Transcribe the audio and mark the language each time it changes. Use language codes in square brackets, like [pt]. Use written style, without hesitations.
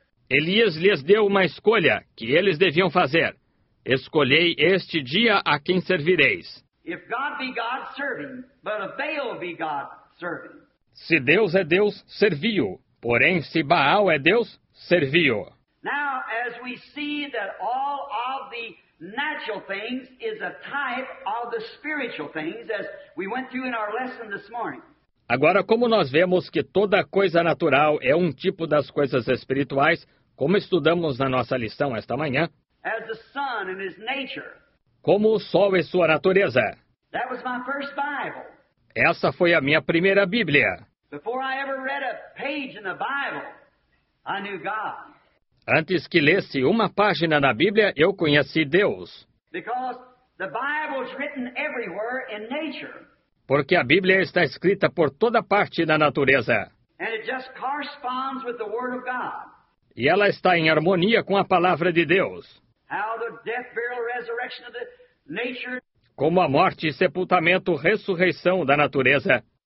[pt] Elias lhes deu uma escolha que eles deviam fazer. Escolhei este dia a quem servireis. [en] If God be God serving, but if Baal be God serving. [pt] Se Deus é Deus, servi-o. Porém, se Baal é Deus, servi-o. [en] Now, as we see that all of the natural things is a type of the spiritual things, as we went through in our lesson this morning. [pt] Agora, como nós vemos que toda coisa natural é um tipo das coisas espirituais, como estudamos na nossa lição esta manhã, [en] as the sun and his nature, [pt] como o sol e sua natureza. [en] That was my first Bible. [pt] Essa foi a minha primeira Bíblia. [en] Before I ever read a page in the Bible, I knew God. [pt] Antes que lesse uma página na Bíblia, eu conheci Deus. [en] Because the Bible is written everywhere in nature. [pt] Porque a Bíblia está escrita por toda parte na natureza. [en] And it just corresponds with the Word of God. [pt] E ela está em harmonia com a palavra de Deus. [en] How the death, burial, resurrection of the nature. [pt] como a morte, sepultamento, ressurreição da natureza.